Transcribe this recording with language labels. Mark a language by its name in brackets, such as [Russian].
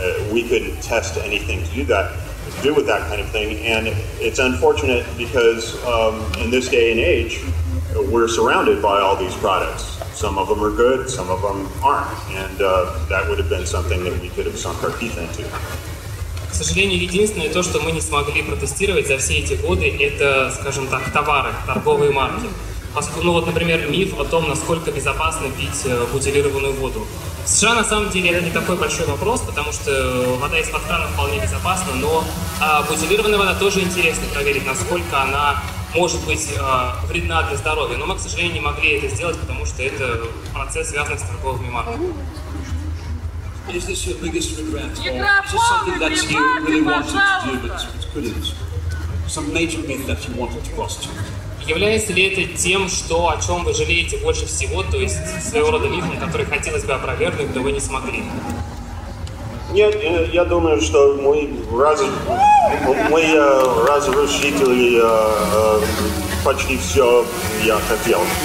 [English] we couldn't test anything to do with that kind of thing, and it's unfortunate because in this day and age, we're surrounded by all these products. Some of them are good, some of them aren't, and that would have been something that we could have sunk our teeth into. [Russian] К сожалению, единственное то, что мы не смогли протестировать за все эти годы, это, скажем так, товары, торговые марки. Ну вот, например, миф о том, насколько безопасно пить бутилированную воду. В США, на самом деле, это не такой большой вопрос, потому что вода из-под крана вполне безопасна, но бутилированная вода тоже интересно проверить, насколько она может быть вредна для здоровья. Но мы, к сожалению, не могли это сделать, потому что это процесс, связанный с торговыми марками. [English] Is this your biggest regret, or is this something that you really wanted to do, but couldn't? Some major myth that you wanted to bust? [Russian] Является ли это тем, что о чем вы жалеете больше всего, то есть своего рода мифом, который хотелось бы опровергнуть, но вы не смогли? Нет, я думаю, что мы разрушители почти все я хотел.